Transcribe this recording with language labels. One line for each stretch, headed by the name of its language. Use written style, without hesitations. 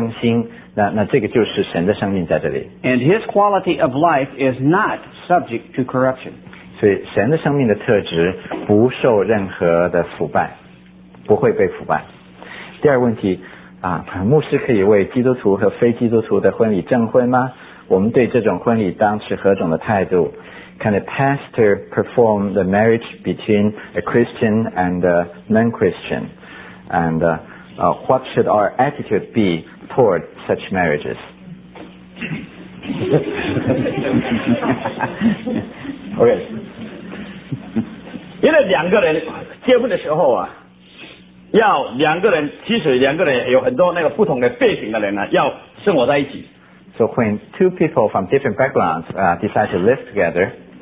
Chinese: 所以当我们道德或者宗教方面，我们的生命被神不住的更新，那这个就是神的生命在这里。
English: And His quality of life is not subject to corruption.
Chinese: 所以神的生命的特质不受任何的腐败，不会被腐败。第二问题，牧师可以为基督徒和非基督徒的婚礼证婚吗？我们对这种婚礼当持何种的态度？
English: Can a pastor perform the marriage between a Christian and a non-Christian? And what should our attitude be toward such marriages? Okay.
Chinese: 因为两个人结婚的时候啊，要两个人，其实两个人有很多那个不同的背景的人呢，要生活在一起。
English: So when two people from different backgrounds decide to live together,